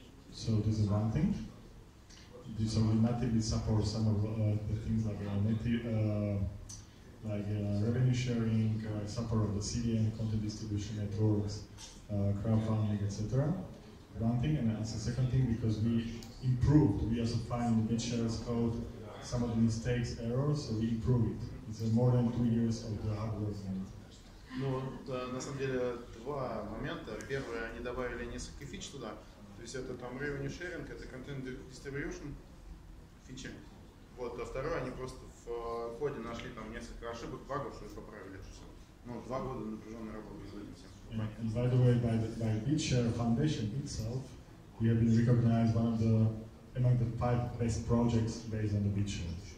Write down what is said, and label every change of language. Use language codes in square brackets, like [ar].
[en] So this is one thing. So we natively support some of the things like revenue sharing, support of the CDN content distribution networks, crowdfunding, etc. One thing, and as a second thing, because we improved, we also find the BitShares code some of the mistakes, errors, so we improve it. It's more than 2 years of the hard work. [ru] Ну, на самом деле два момента. Первое, они добавили несколько фич туда. То есть это там revenue sharing, это content distribution фичи. Вот, а второе, они просто в коде нашли там несколько ошибок, багов, что их поправили. Ну, 2 года напряженной работы с этим всем. [en] And by the way, by BitShare Foundation itself, we have been recognized one of the among the 5 best projects based on the BitShare.